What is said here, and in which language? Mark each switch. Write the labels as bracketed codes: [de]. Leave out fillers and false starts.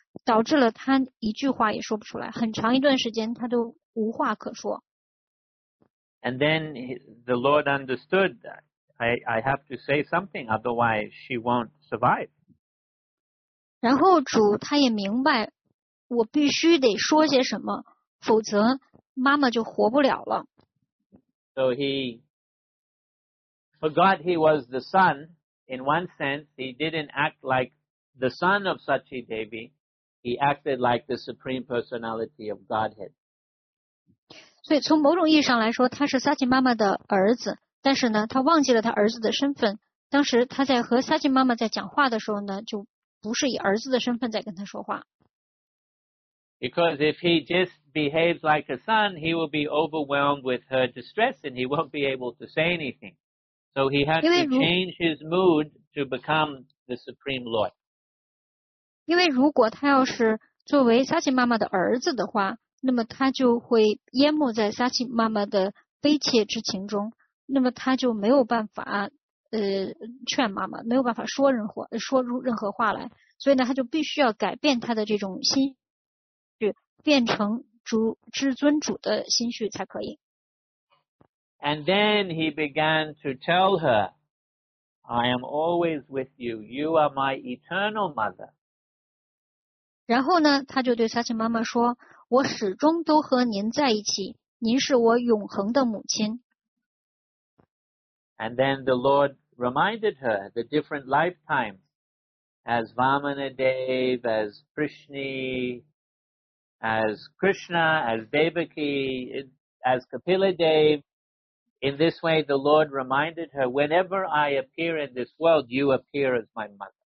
[zh] 导致了他一句话也说不出来，很长一段时间他都无话可说。 [en] And then the Lord understood that I have to say something, otherwise she won't survive. [zh] 然后主他也明白，我必须得说些什么，否则妈妈就活不了了。 [en] So he forgot he was the son. In one sense, he didn't act like the son of Sachi Devi. He acted like the Supreme Personality of Godhead. [zh] 所以从某种意义上来说，他是 Sachin 妈妈的儿子，但是呢，他忘记了他儿子的身份。当时他在和 Sachin 妈妈在讲话的时候呢，就不是以儿子的身份在跟他说话。 [en] Because if he just behaves like a son, he will be overwhelmed with her distress and he won't be able to say anything. So he had to change his mood to become the Supreme Lord. [zh] 因为如果他要是作为 Sachin 妈妈的儿子的话，那么他就会淹没在 Sachin 妈妈的悲切之情中，那么他就没有办法劝妈妈，没有办法说任何话来，所以呢，他就必须要改变他的这种心绪，变成至尊主的心绪才可以。 [en] And then he began to tell her, "I am always with you. You are my eternal mother." [zh] 然后呢，他就对 Sachin 妈妈说，我始终都和您在一起，您是我永恒的母亲。 [en] And then the Lord reminded her the different lifetimes, as Vamanadev, as Krishna, as Krishna, as Devaki, as Kapiladev. In this way, the Lord reminded her, whenever I appear in this world, you appear as my mother.